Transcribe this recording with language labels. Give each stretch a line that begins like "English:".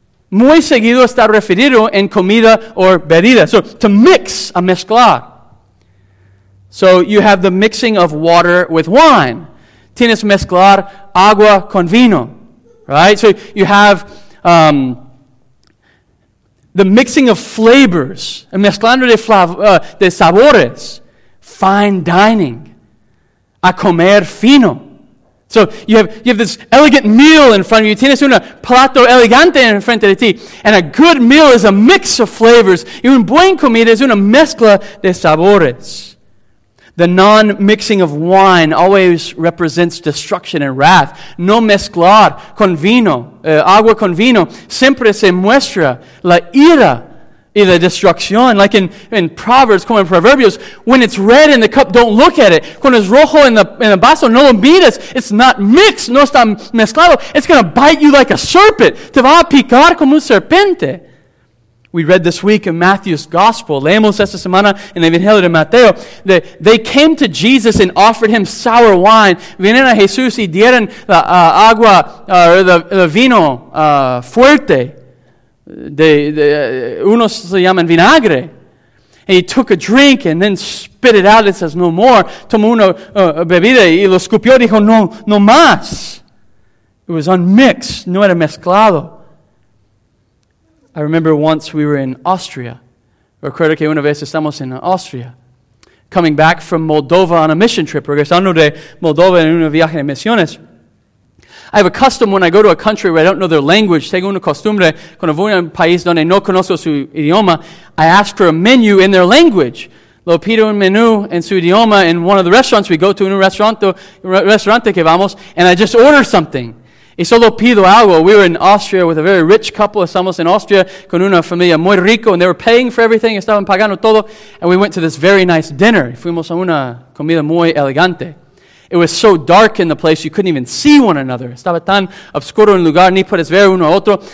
Spanish: Muy seguido está referido en comida o bebida.
English: So, to mix,
Spanish: a mezclar.
English: So, you have the mixing of water with wine.
Spanish: Tienes mezclar agua con vino. Right?
English: So, you have the mixing of flavors.
Spanish: Mezclando de sabores.
English: Fine dining.
Spanish: A comer fino.
English: So you have this elegant meal in front of you.
Spanish: Tienes un plato elegante en frente de ti.
English: And a good meal is a mix of flavors.
Spanish: Y un buen comida es una mezcla de sabores.
English: The non-mixing of wine always represents destruction and wrath.
Spanish: No mezclar con vino, agua con vino, siempre se muestra la ira y la destrucción.
English: Like in Proverbs,
Spanish: como en Proverbios,
English: when it's red in the cup, don't look at it.
Spanish: Cuando es rojo en el vaso, no lo mires. It's not mixed, no está mezclado.
English: It's going to bite you like a serpent.
Spanish: Te va a picar como un serpente.
English: We read this week in Matthew's Gospel.
Spanish: Leemos esta semana en el Evangelio de Mateo.
English: They came to Jesus and offered him sour wine.
Spanish: Vienen a Jesús y dieron la agua, el vino fuerte. Unos se llaman vinagre.
English: And he took a drink and then spit it out. It says, no more.
Spanish: Tomó una bebida y lo escupió. Dijo, no más.
English: It was unmixed.
Spanish: No era mezclado.
English: I remember once we were in Austria.
Spanish: Recuerdo que una vez estamos en Austria.
English: Coming back from Moldova on a mission trip.
Spanish: Regresando de Moldova en un viaje de misiones.
English: I have a custom when I go to a country where I don't know their language.
Spanish: Tengo una costumbre cuando voy a un país donde no conozco su idioma.
English: I ask for a menu in their language.
Spanish: Lo pido un menú en su idioma
English: in one of the restaurants. We go to
Spanish: un restaurante que vamos,
English: and I just order something
Spanish: Y solo pido algo.
English: We were in Austria with a very rich couple.
Spanish: Estamos en Austria con una familia muy rico,
English: and they were paying for everything.
Spanish: Estaban pagando todo.
English: And we went to this very nice dinner.
Spanish: Fuimos a una comida muy elegante.
English: It was so dark in the place, you couldn't even see one another.
Spanish: Estaba tan oscuro en lugar, ni puedes ver uno a otro.